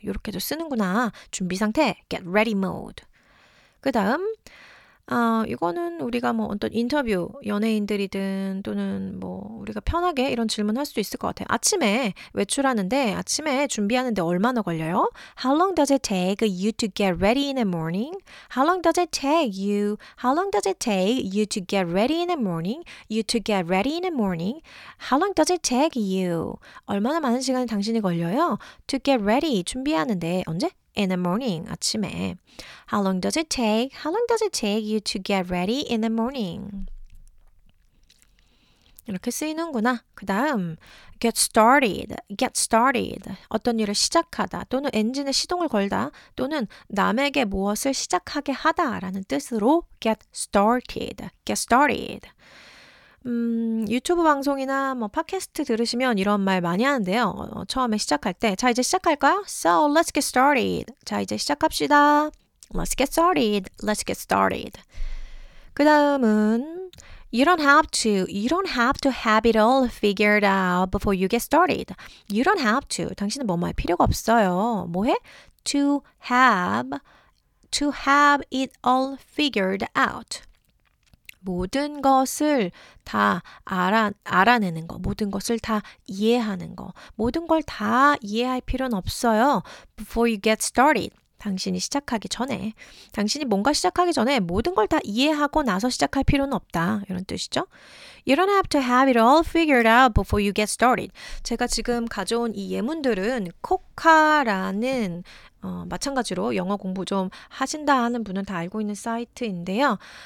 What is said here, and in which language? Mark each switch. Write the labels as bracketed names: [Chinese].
[Korean] 이렇게도 쓰는구나. 준비 상태. [English] Get ready mode. [Korean] 그 다음 이거는 우리가 뭐 어떤 인터뷰 연예인들이든 또는 뭐 우리가 편하게 이런 질문 할 수도 있을 것 같아요. 아침에 외출하는데 아침에 준비하는데 얼마나 걸려요? [English] How long does it take you to get ready in the morning? How long does it take you? How long does it take you to get ready in the morning? You to get ready in the morning? How long does it take you? [Korean] 얼마나 많은 시간이 당신이 걸려요? [English] To get ready [Korean] 준비하는데 언제? [English] In the morning, [Korean] 아침에. [English] How long does it take? How long does it take you to get ready in the morning? [Korean] 이렇게 쓰이는구나. 그 다음, get started. Get started. 어떤 일을 시작하다. 또는 엔진에 시동을 걸다. 또는 남에게 무엇을 시작하게 하다. 라는 뜻으로 get started. Get started. 유튜브 방송이나 뭐 팟캐스트 들으시면 이런 말 많이 하는데요. 처음에 시작할 때, 자 이제 시작할까요? [English] So let's get started. [Korean] 자 이제 시작합시다. [English] Let's get started. Let's get started. [Korean] 그 다음은 [English] You don't have to have it all figured out before you get started. You don't have to. [Korean] 당신은 뭐뭐 할 필요가 없어요. 뭐해? [English] To have it all figured out. [Korean] 모든 것을 다 알아내는 거, 모든 것을 다 이해하는 거, 모든 걸 다 이해할 필요는 없어요. [English] Before you get started, [Korean] 당신이 시작하기 전에, 당신이 뭔가 시작하기 전에 모든 걸 다 이해하고 나서 시작할 필요는 없다. 이런 뜻이죠. [English] You don't have to have it all figured out before you get started. [Korean] 제가 지금 가져온 이 예문들은 코카라는 마찬가지로 영어 공부 좀 하신다 하는 분은 다 알고 있는 사이트인데요.